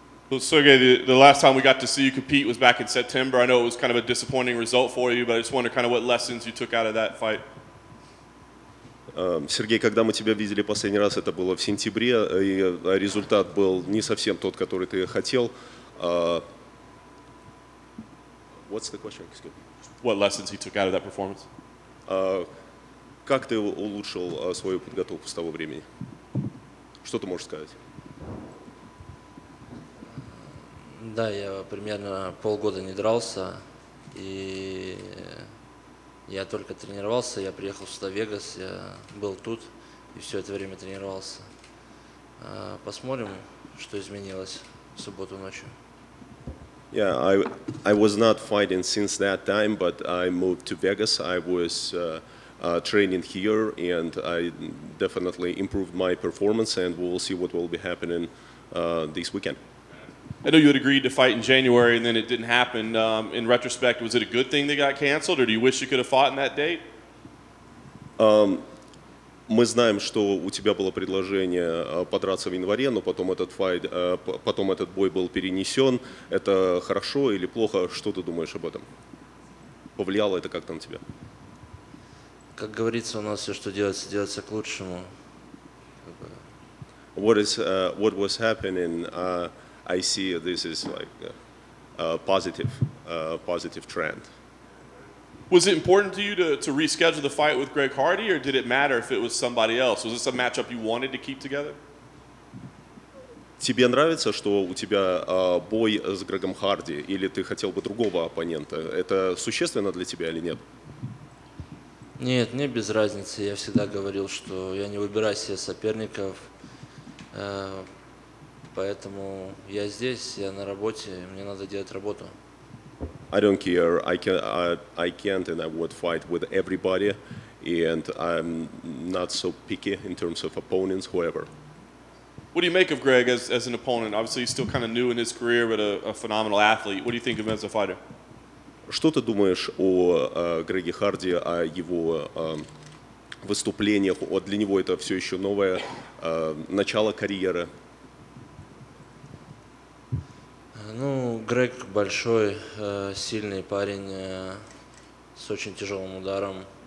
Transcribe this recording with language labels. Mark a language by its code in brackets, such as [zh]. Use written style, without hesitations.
[en] Well, Sergey, the last time we got to see you compete was back in September. I know it was kind of a disappointing result for you, but I just wonder kind of what lessons you took out of that fight. [ru] Сергей, когда мы тебя видели последний раз, это было в сентябре, и результат был не совсем тот, который ты хотел. [en] What's the question? What lessons he took out of that performance? [ru] Как ты улучшил свою подготовку с того времени? Что ты можешь сказать? Да, я примерно полгода не дрался, и я только тренировался, я приехал сюда в Вегас, я был тут и все это время тренировался. Посмотрим, что изменилось в субботу ночью. [en] Yeah, I was not fighting since that time, but I moved to Vegas. I was training here, and I definitely improved my performance, and we'll see what will be happening this weekend. I know you had agreed to fight in January, and then it didn't happen. In retrospect, was it a good thing they got canceled, or do you wish you could have fought on that date? [ru] Мы знаем, что у тебя было предложение подраться в январе, но потом этот файт, потом этот бой был перенесен. Это хорошо или плохо? Что ты думаешь об этом? Повлияло это как-то на тебя? Как говорится, у нас все, что делается, делается к лучшему. [en] What was happening? I see this is like a positive trend. Was it important to you to reschedule the fight with Greg Hardy, or did it matter if it was somebody else? Was this a matchup you wanted to keep together? [ru] Тебе нравится, что у тебя бой с Грегом Харди, или ты хотел бы другого оппонента? Это существенно для тебя или нет? Нет, мне без разницы. Я всегда говорил, что я не выбираю себе соперников. Поэтому я здесь, я на работе, мне надо делать работу. [en] I don't care. I can't and I would fight with everybody, and I'm not so picky in terms of opponents, whoever. What do you make of Greg as an opponent? Obviously, he's still kind of new in his career, but a phenomenal athlete. What do you think of him as a fighter? [ru] Что ты думаешь о Греге Харди, о его выступлениях? Для него это все еще новое начало карьеры. Ну, Грег большой, сильный парень, с очень тяжелым ударом.